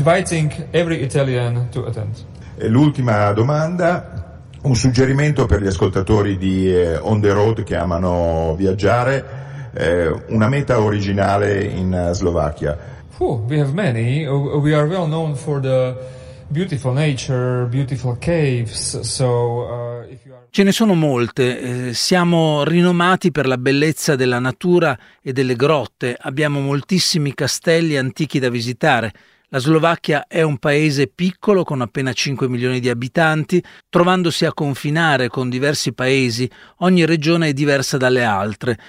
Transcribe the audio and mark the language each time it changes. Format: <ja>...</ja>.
<it>E l'ultima domanda, un suggerimento per gli ascoltatori di On the Road che amano viaggiare, una meta originale in Slovacchia.</it> <en>We have many. We are well known for the beautiful nature, beautiful caves. So, if you are.</en> <it>Ce ne sono molte. Siamo rinomati per la bellezza della natura e delle grotte. Abbiamo moltissimi castelli antichi da visitare. La Slovacchia è un paese piccolo con appena 5 milioni di abitanti. Trovandosi a confinare con diversi paesi, ogni regione è diversa dalle altre.</it>